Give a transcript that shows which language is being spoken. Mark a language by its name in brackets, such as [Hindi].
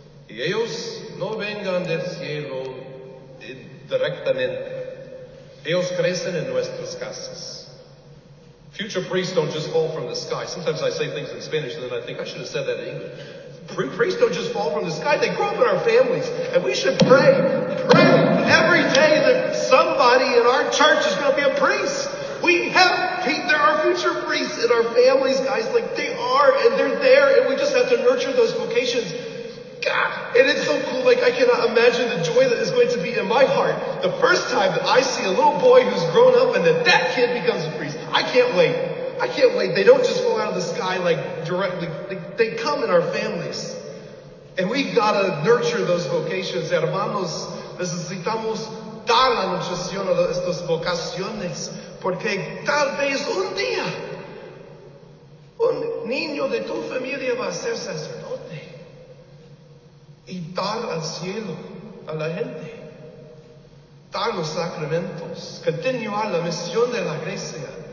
[Spanish] Y ellos no vengan del cielo directamente. Ellos crecen en nuestras casas. [English] Future priests don't just fall from the sky. Sometimes I say things in Spanish and then I think I should have said that in English. Priests don't just fall from the sky. They grow up in our families. And we should pray every day that somebody in our church is going to be a priest. There are future priests in our families, guys. Like, they are, and they're there, and we just have to nurture those vocations. God, and it's so cool. Like, I cannot imagine the joy that is going to be in my heart the first time that I see a little boy who's grown up and that kid becomes a priest. I can't wait. They don't just fall out of the sky, like, directly. They come in our families. And we've got to nurture those vocations. [Spanish] Hermanos, necesitamos dar la nutrición a estas vocaciones. Porque tal vez un día, un niño de tu familia va a ser sacerdote y dar al cielo a la gente, dar los sacramentos, continuar la misión de la iglesia.